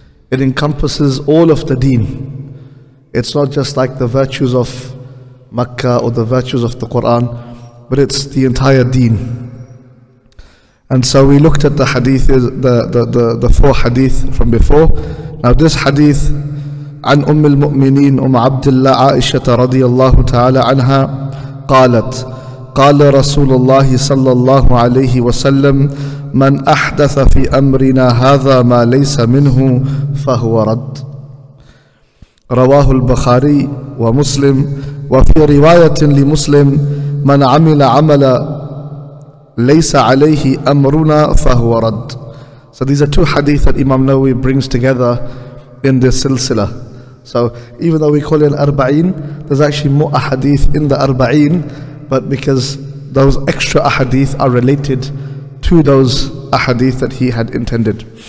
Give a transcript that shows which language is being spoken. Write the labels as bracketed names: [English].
[English] It encompasses all of the deen. It's not just like the virtues of Makkah or the virtues of the Quran, but it's the entire deen. And so we looked at the hadith, the four hadith from before. [Arabic] Now this hadith, عن أم المؤمنين أم عبد الله عائشة رضي الله تعالى عنها قالت قال رسول الله صلى الله عليه وسلم من أحدث في أمرنا هذا ما ليس منه فهو رد رواه البخاري ومسلم وفي رواية لمسلم من عمل عمل ليس عليه أمرنا فهو رد. [English] So these are two hadith that Imam Nawawi brings together in this silsila. So even though we call it an arba'een, there's actually more ahadith in the arba'een, but because those extra ahadith are related to those ahadith that he had intended.